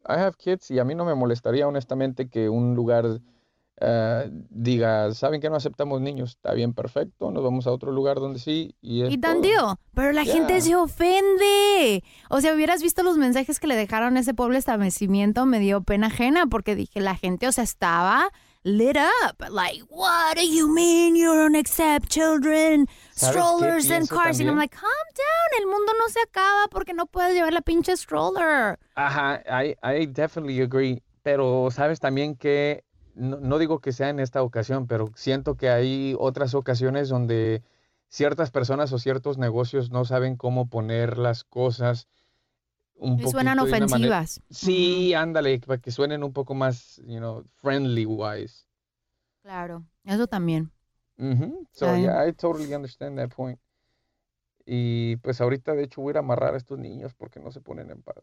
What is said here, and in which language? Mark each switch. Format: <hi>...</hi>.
<en>I have kids</en> <es>y a mí no me molestaría honestamente que un lugar diga, ¿saben que no aceptamos niños? Está bien, perfecto. Nos vamos a otro lugar donde sí. Y es y tandío. Pero la gente se ofende. O sea, hubieras visto los mensajes que le dejaron a ese pobre establecimiento. Me dio pena ajena porque dije, la gente, o sea, estaba lit up.</es> <en>Like, what do you mean you don't accept children? Strollers and cars.</en> <es>También?</es> <en>And I'm like, calm down.</en> <es>El mundo no se acaba porque no puedes llevar la pinche stroller.</es> <en>Ajá, I definitely agree.</en> <es>Pero sabes también que no digo que sea en esta ocasión, pero siento que hay otras ocasiones donde ciertas personas o ciertos negocios no saben cómo poner las cosas un poco. Suenan de ofensivas. Sí, ándale, para que suenen un poco más,</es> <en>you know, friendly wise.</en> <es>Claro, eso también. Mm-hmm.</es> <en>So, I totally understand that point.</en> <es>Y pues ahorita, de hecho, voy a ir a amarrar a estos niños porque no se ponen en paz.</es>